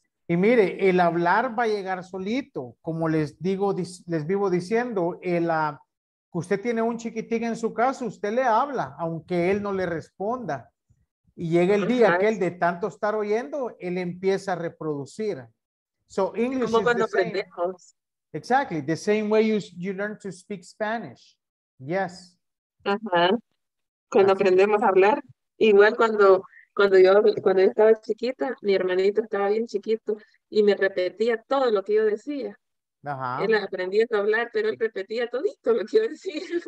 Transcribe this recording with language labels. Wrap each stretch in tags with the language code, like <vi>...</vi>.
<es>Y mire, el hablar va a llegar solito, como les digo, les vivo diciendo, que usted tiene un chiquitín en su casa, usted le habla, aunque él no le responda. Y llega el día que él de tanto estar oyendo, él empieza a reproducir.</es> <en>So English is the same.</en> <es>Aprendemos.</es> <en>Exactly, the same way you learn to speak Spanish. Yes. Ajá.</en> <es>Cuando así aprendemos a hablar, igual cuando estaba chiquita, mi hermanito estaba bien chiquito y me repetía todo lo que yo decía. Ajá. Él aprendía a hablar, pero él repetía todito lo que yo decía.</es>